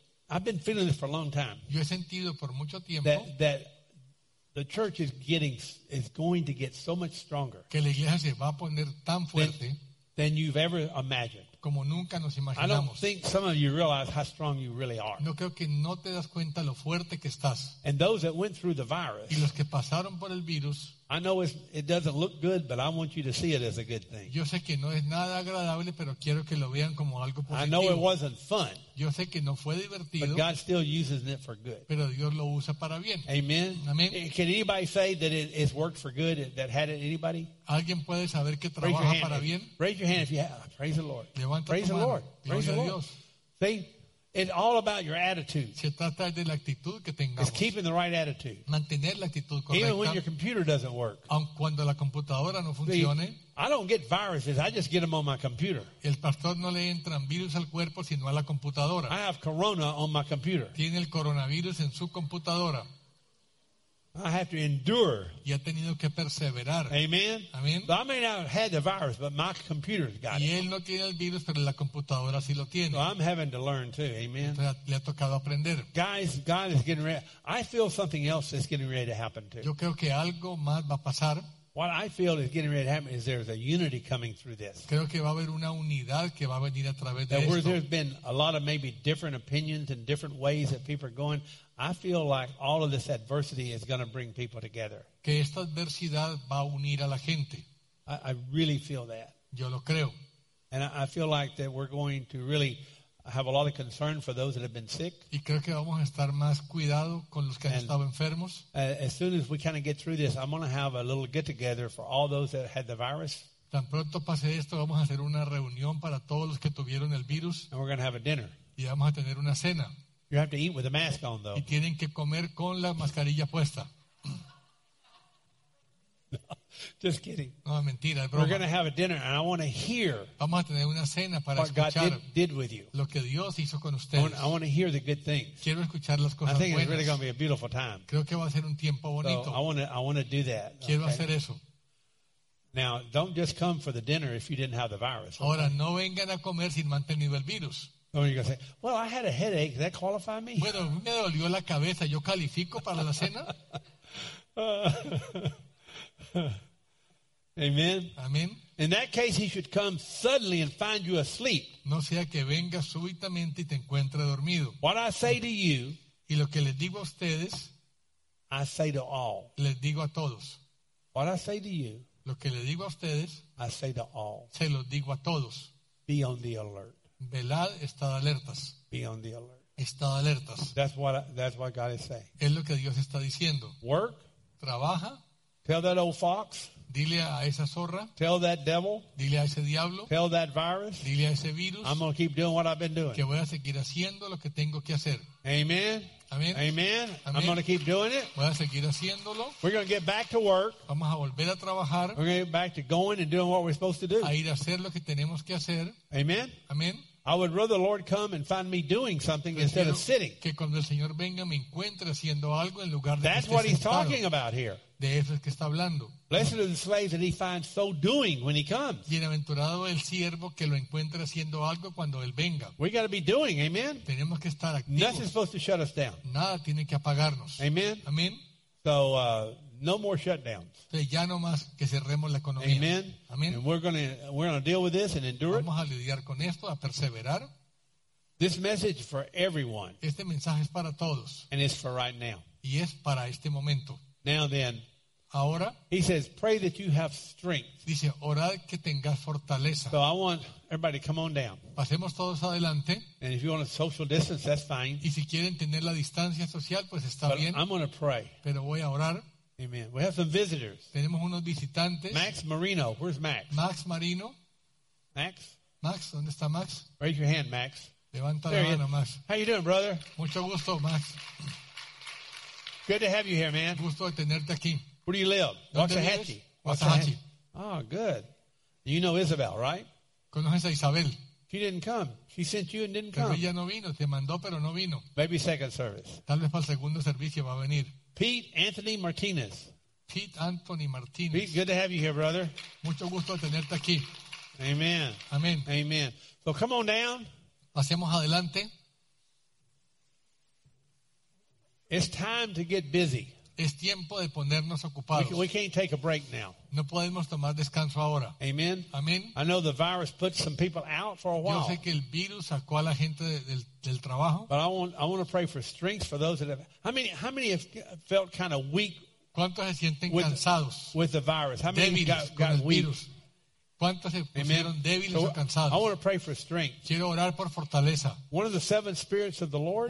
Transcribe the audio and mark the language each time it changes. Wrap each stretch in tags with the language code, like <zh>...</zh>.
<en>I've been feeling this for a long time.</en> <es>Yo he sentido por mucho tiempo</es> <en>that the church is going to get so much stronger.</en> <es>Que la iglesia se va a poner tan fuerte</es> <en>than you've ever imagined.</en> <es>Como nunca nos imaginamos.</es> <en>I don't think some of you realize how strong you really are.</en> <es>No creo que no te das cuenta lo fuerte que estás.</es> <en>And those that went through the virus.</en> <es>Y los que pasaron por el virus.</es> <en>I know it doesn't look good, but I want you to see it as a good thing.</en> <es>Yo sé que no es nada agradable, pero quiero que lo vean como algo positivo.</es> <en>I know it wasn't fun.</en> <es>Yo sé que no fue divertido.</es> <en>But God still uses it for good.</en> <es>Pero Dios lo usa para bien.</es> <en>Amen.</en> <es>Amen.</es> <en>Can anybody say that it's worked for good? That had it anybody?</en> <es>¿Alguien puede saber que trabaja para bien?</es> <en>Raise your hand if you have. Praise the Lord.</en> <es>Levanta</es> <en>praise the Lord. Praise the Lord.</en> <es>Dios.</es> <en>See, it's all about your attitude.</en> <es>Se trata de la actitud que tengamos.</es> <en>It's keeping the right attitude.</en> <es>Mantener la actitud correcta.</es> <en>Even when your computer doesn't work.</en> <es>Aun cuando la computadora no funcione.</es> <en>See, I don't get viruses. I just get them on my computer.</en> <es>El pastor no le entran virus al cuerpo, sino a la computadora.</es> <en>I have corona on my computer.</en> <es>Tiene el coronavirus en su computadora.</es> <en>I have to endure.</en> <es>Y ha tenido que perseverar.</es> <en>Amen.</en> <es>Amen.</es> <en>So I may not have had the virus, but my computer's got</en> <es>y él no tiene el virus, pero la computadora sí lo tiene.</es> <en>So I'm having to learn too. Amen.</en> <es>Entonces, le ha tocado aprender.</es> <en>Guys, God is getting ready. I feel something else is getting ready to happen too.</en> <es>Yo creo que algo más va a pasar.</es> <en>What I feel is getting ready to happen is there's a unity coming through this.</en> <es>Creo que va a haber una unidad que va a venir a través de esto.</es> <en>Where there's been a lot of maybe different opinions and different ways that people are going, I feel like all of this adversity is going to bring people together.</en> <es>Que esta adversidad va a unir a la gente.</es> <en>I really feel that.</en> <es>Yo lo creo.</es> <en>And I feel like that we're going to really have a lot of concern for those that have been sick.</en> <es>Y creo que vamos a estar más cuidado con los que han estado enfermos.</es> <en>As soon as we kind of get through this, I'm going to have a little get together for all those that had the virus.</en> <es>Tan pronto pase esto, vamos a hacer una reunión para todos los que tuvieron el virus.</es> <en>And we're going to have a dinner.</en> <es>Y vamos a tener una cena.</es> <en>You have to eat with a mask on, though.</en> <es>Y tienen que comer con la mascarilla puesta.</es> <en>Just kidding.</en> <es>No, mentira,</es> <en>we're going to have a dinner, and I want to hear</en> <es>vamos a tener una cena para</es> <en>what God did with you.</en> <es>Lo que Dios hizo con ustedes.</es> <en>I want to hear the good things.</en> <es>Quiero escuchar las cosas</es> <en>I think</en> <es>buenas.</es> <en>It's really going to be a beautiful time.</en> <es>Creo que va a ser un tiempo bonito.</es> <en>So I want to do that.</en> <es>Quiero</es> <en>okay?</en> <es>hacer eso.</es> <en>Now, don't just come for the dinner if you didn't have the virus. Okay?</en> <es>Ahora, no vengan a comer sin mantenido el virus.</es> <en>Oh, you're going to say, well, I had a headache. Does that qualify me?</en> <es>Bueno, me dolió la cabeza. ¿Yo califico para la cena?</es> <en>Amen.</en> <es>Amen.</es> <en>In that case, he should come suddenly and find you asleep.</en> <es>No sea que venga súbitamente y te encuentre dormido.</es> <en>What I say to you,</en> <es>y lo que les digo a ustedes,</es> <en>I say to all.</en> <es>Les digo a todos.</es> <en>What I say to you,</en> <es>lo que les digo a ustedes,</es> <en>I say to all.</en> <es>Se los digo a todos.</es> <en>Be on the alert.</en> <es>Velad, estad alertas.</es> <en>Be on the alert.</en> <es>Estad alertas.</es> <en>That's what God is saying.</en> <es>Es lo que Dios está diciendo.</es> <en>Work.</en> <es>Trabaja.</es> <en>Tell that old fox.</en> <es>Dile a esa zorra.</es> <en>Tell that devil.</en> <es>Dile a ese diablo.</es> <en>Tell that virus.</en> <es>Dile a ese virus.</es> <en>I'm going to keep doing what I've been doing.</en> <es>Que voy a seguir haciendo lo que tengo que hacer.</es> <en>Amen. Amen. Amen. I'm going to keep doing it.</en> <es>Voy a seguir haciéndolo.</es> <en>We're going to get back to work.</en> <es>Vamos a volver a trabajar.</es> <en>We're going to get back to going and doing what we're supposed to do.</en> <es>A ir a hacer lo que tenemos que hacer.</es> <en>Amen.</en> <es>Amen.</es> <en>I would rather the Lord come and find me doing something</en> <es>prefiero</es> <en>instead of sitting.</en> <es>Que cuando el Señor venga me encuentre haciendo algo en lugar de</es> <en>That's</en> <es>que esté</es> <en>what he's</en> <es>sentado.</es> <en>Talking about here.</en> <es>De eso es que está hablando.</es> <en>Blessed are the slaves that he finds so doing when he comes.</en> <es>Bienaventurado el siervo que lo encuentre haciendo algo cuando él venga.</es> <en>We got to be doing, amen.</en> <es>Tenemos que estar activos.</es> <en>Nothing's supposed to shut us down.</en> <es>Nada tiene que apagarnos.</es> <en>Amen. Amen. So no more shutdowns.</en> <es>Entonces, ya no más que cerremos la economía.</es> <en>Amen.</en> <es>Amen.</es> <en>And we're going to deal with this and endure it.</en> <es>Vamos a lidiar con esto, a perseverar.</es> <en>This message for everyone.</en> <es>Este mensaje es para todos.</es> <en>And it's for right now.</en> <es>Y es para este momento.</es> <en>Now then.</en> <es>Ahora,</es> <en>he says, pray that you have strength.</en> <es>Dice, orad que tengas fortaleza.</es> <en>So I want everybody to come on down.</en> <es>Pasemos todos adelante.</es> <en>And if you want a social distance, that's fine.</en> <es>Y si quieren tener la distancia social, pues está</es> <en>But</en> <es>bien.</es> <en>I'm going to pray.</en> <es>Pero voy a orar.</es> <en>Amen. We have some visitors.</en> <es>Tenemos unos visitantes.</es> <en>Max Marino. Where's Max?</en> <es>Max Marino.</es> <en>Max?</en> <es>Max, ¿dónde está Max?</es> <en>Raise your hand, Max.</en> <es>Levanta</es> <en>there</en> <es>la mano, Max.</es> <en>How you doing, brother?</en> <es>Mucho gusto, Max.</es> <en>Good to have you here, man.</en> <es>Gusto de tenerte aquí.</es> <en>Where do you live? Waxahachie.</en> <es>Waxahachie.</es> <en>Oh, good. You know Isabel, right?</en> <es>¿Conoces a Isabel?</es> <en>She didn't come. She sent you and didn't</en> <es>pero</es> <en>come.</en> <es>Ella no vino. Te mandó, pero no vino.</es> <en>Maybe second service.</en> <es>Tal vez para el segundo servicio va a venir.</es> <en>Pete Anthony Martinez.</en> <es>Pete Anthony Martinez.</es> <en>Pete, good to have you here, brother.</en> <es>Mucho gusto de tenerte aquí.</es> <en>Amen. Amen. Amen. So come on down.</en> <es>Pasemos adelante.</es> <en>It's time to get busy.</en> <es>Es tiempo de ponernos ocupados.</es> <en>We can't take a break now.</en> <es>No podemos tomar descanso ahora.</es> <en>Amen. Amen. I know the virus put some people out for a while.</en> <es>Yo sé que el virus sacó a la gente del trabajo.</es> <en>But I want to pray for strength for those that have. How many have felt kind of weak?</en> <es>¿Cuántos se sienten cansados?</es> <en>With the virus. How many got weak?</en> <es>Virus. ¿Cuántos se pusieron débiles</es> <en>so,</en> <es>o cansados?</es> <en>I want to pray for strength.</en> <es>Quiero orar por fortaleza.</es> <en>One of the seven spirits of the Lord.</en>